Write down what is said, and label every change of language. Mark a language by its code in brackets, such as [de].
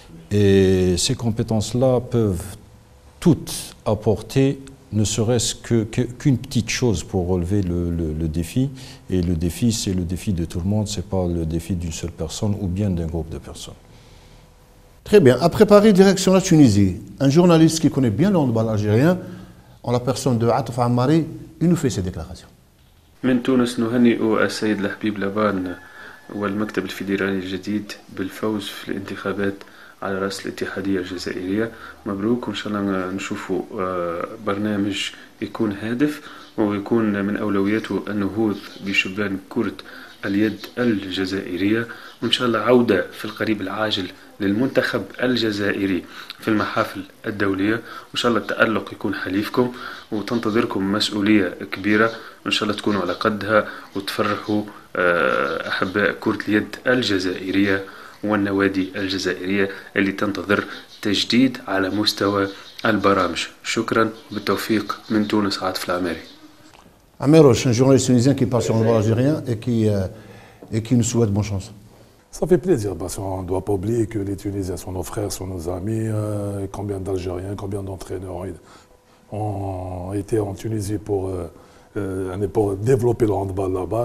[fr] Et ces compétences-là peuvent toutes apporter, ne serait-ce qu'une petite chose pour relever le défi. Et le défi, c'est le défi de tout le monde, ce n'est pas le défi d'une seule personne ou bien d'un groupe de personnes. Très bien. Après Paris, direction la Tunisie. Un journaliste qui connaît bien le handball algérien, en la personne de Atouf Amari, il nous fait ses déclarations. [ar] من تونس نهنئ السيد الحبيب لبان والمكتب الفيدرالي الجديد بالفوز في الانتخابات على رأس الاتحادية الجزائرية. مبروك وإن شاء الله نشوف برنامج يكون هادف ويكون من أولوياته النهوض بشبان كرة اليد الجزائرية، وإن شاء الله عودة في القريب العاجل للمنتخب الجزائري في المحافل الدولية، وإن شاء الله التألق يكون حليفكم، وتنتظركم مسؤولية كبيرة وإن شاء الله تكونوا على قدها وتفرحوا أحباء كرة اليد الجزائرية والنوادي الجزائرية اللي تنتظر تجديد على مستوى البرامج. شكرا بالتوفيق من تونس عاطف العماري. [fr] Amer Roche, un journaliste tunisien qui part sur le handball algérien et qui nous souhaite bonne chance. Ça fait plaisir parce qu'on ne doit pas oublier que les Tunisiens sont nos frères, sont nos amis. Combien d'Algériens, combien d'entraîneurs ont été en Tunisie pour développer le handball là-bas.